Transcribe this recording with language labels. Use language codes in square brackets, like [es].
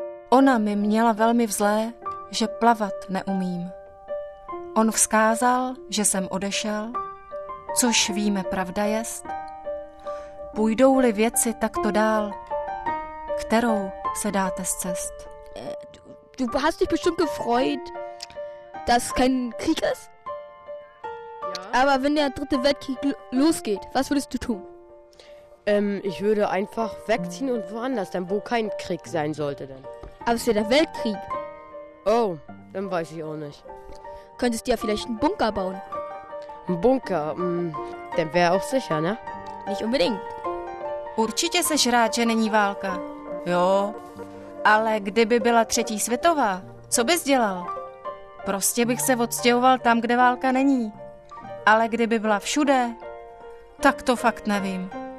[cs] Ona mi měla velmi vzlé, že plavat neumím. On vzkázal, že jsem odešel, což víme, pravda jest. Půjdou-li věci takto dál, kterou se dáte z cest? [de] Du hast dich bestimmt gefreut, dass kein Krieg ist. Aber wenn der dritte Weltkrieg losgeht, was würdest du tun? Ich würde einfach wegziehen und woanders, dann wo kein Krieg sein sollte denn. Aber es wäre der Weltkrieg. Oh, dann weiß ich auch nicht. Könntest du ja vielleicht einen Bunker bauen. Ein Bunker, dann wäre auch sicher, ne? Nicht unbedingt. [cs] Určitě seš rád, že není válka. Jo, ale kdyby byla třetí světová, co bys dělal? Prostě bych se odstěhoval tam, kde válka není. Ale kdyby byla všude, tak to fakt nevím.